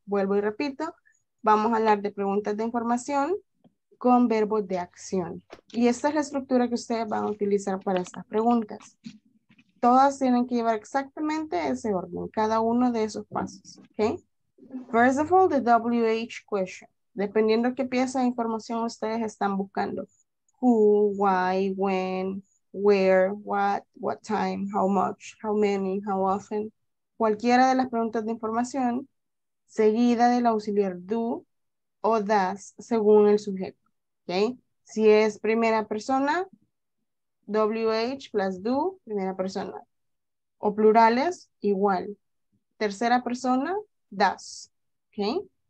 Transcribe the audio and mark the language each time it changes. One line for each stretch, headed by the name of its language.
Spanish: Vuelvo y repito, vamos a hablar de preguntas de información con verbos de acción. Y esta es la estructura que ustedes van a utilizar para estas preguntas. Todas tienen que llevar exactamente ese orden, cada uno de esos pasos. Okay?
English: First of all, the WH question.
Spanish: Dependiendo qué pieza de información ustedes están buscando.
English: Who, why, when, where, what time, how much, how many, how often.
Spanish: Cualquiera de las preguntas de información seguida del auxiliar do o does según el sujeto. Okay? Si es primera persona, WH plus do, primera persona. O plurales, igual. Tercera persona, does. Okay?